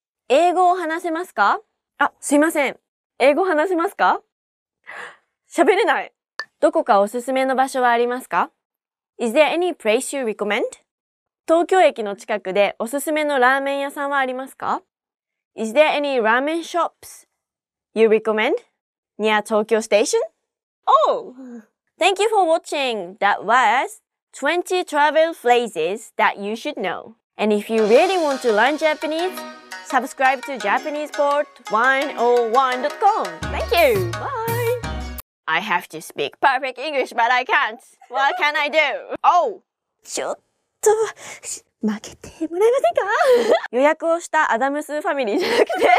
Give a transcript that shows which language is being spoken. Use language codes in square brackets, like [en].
[ja] 英語を話せますか?あ、すいません。英語話せますか? 喋れない。どこかおすすめの場所はありますか? [en] Is there any place you recommend? [ja] 東京駅の近くでおすすめのラーメン屋さんはありますか? [en] Is there any ramen shops you recommend near Tokyo Station? Oh! Thank you for watching. That was 20 travel phrases that you should know. And if you really want to learn Japanese, subscribe to JapanesePort101.com. Thank you! Bye! I have to speak perfect English, but I can't. What can I do? Oh! [ja] ちょっと…負けてもらえませんか予約をしたアダムスファミリーじゃなくて